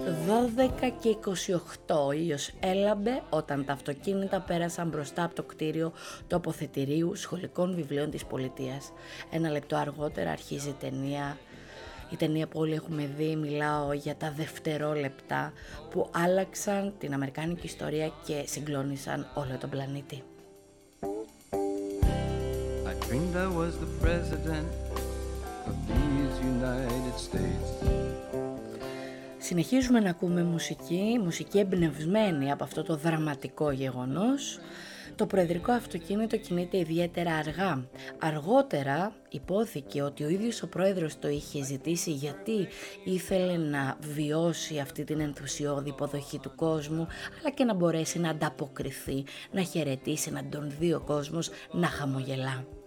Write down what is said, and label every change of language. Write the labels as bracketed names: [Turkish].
[Greek] 12 και 28 ο ήλιος έλαμπε όταν τα αυτοκίνητα πέρασαν μπροστά από το κτίριο τοποθετηρίου σχολικών βιβλίων της πολιτείας. Ένα λεπτό αργότερα αρχίζει η ταινία που όλοι έχουμε δει. Μιλάω για τα δευτερόλεπτα που άλλαξαν την αμερικάνικη ιστορία και συγκλώνησαν όλο τον πλανήτη. [English] I dreamed I was the president of these United States. [Greek] Συνεχίζουμε να ακούμε μουσική εμπνευσμένη από αυτό το δραματικό γεγονός. Το προεδρικό αυτοκίνητο κινείται ιδιαίτερα αργά. Αργότερα υπόθηκε ότι ο ίδιος ο πρόεδρος το είχε ζητήσει γιατί ήθελε να βιώσει αυτή την ενθουσιώδη υποδοχή του κόσμου, αλλά και να μπορέσει να ανταποκριθεί, να χαιρετήσει, να τον δει ο κόσμος να χαμογελά.